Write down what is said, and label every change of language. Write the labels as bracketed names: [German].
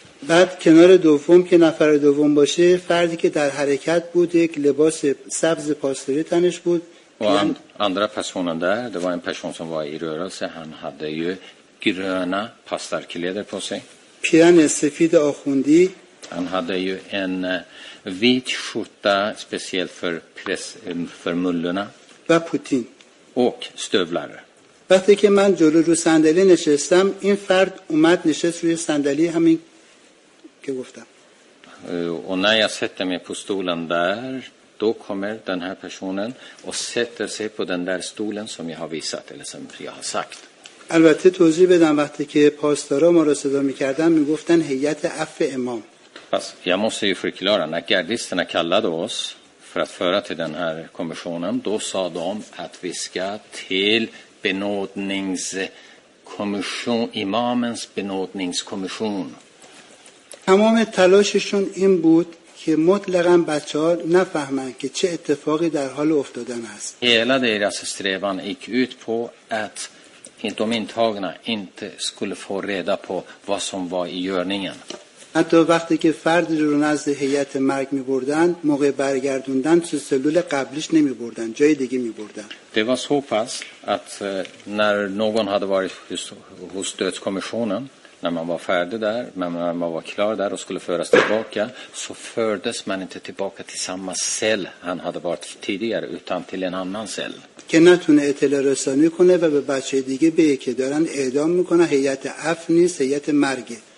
[Persian] بعد کنار دوم که نفر دوم باشه فردی که در حرکت بود یک لباس سبز پاستوری تنش بود. [Swedish] Och andra personen där, det var en person som var i rörelse, han hade ju gröna pastarkläder på sig. [Persian] پیرن سفید آخوندی. [Swedish] Han hade ju en vit skjorta speciellt för mullorna. [Persian] و پوتین. [Swedish] Och stövlar. [Persian] وقتی که من جلو رو صندلی نشستم این فرد اومد نشست روی صندلی همین که گفتم. [Swedish] Och när jag sätter mig på stolen där då kommer den här personen och sätter sig på den där stolen som jag har visat eller som jag har sagt. [Persian] البته توضیح بدم وقتی که پاسدارا ما رو صدا می‌کردن می‌گفتن هیئت عفو امام. [Swedish] پس jag måste ju förklara när gardisterna kallade oss för att föra till den här kommissionen då sa de att vi ska till benådningskommission imamens benådningskommission. [Persian] تمام تلاششون این بود که مطلقاً بچه‌ها نفهمن که چه اتفاقی در حال افتادن است. [Swedish] Hela deras strävan gick ut på att de intagna inte skulle få reda på vad som var i görningen. [Persian] حتی وقتی که فرد رو نزد هیئت مرگ می بردن موقع برگردوندن تو سلول قبلیش نمی بردن جای دیگه می بردن. [Swedish] Det var så pass att när någon hade varit hos dödskommissionen när man var färdig där men när man var klar där och skulle föras tillbaka så fördes man inte tillbaka till samma cell han hade varit tidigare utan till en annan cell. [Persian] که نتونه اطلاع رسانی کنه و به بچه دیگه به که دارن اعدام میکنه هیئت عفو نیست هیئت مرگه.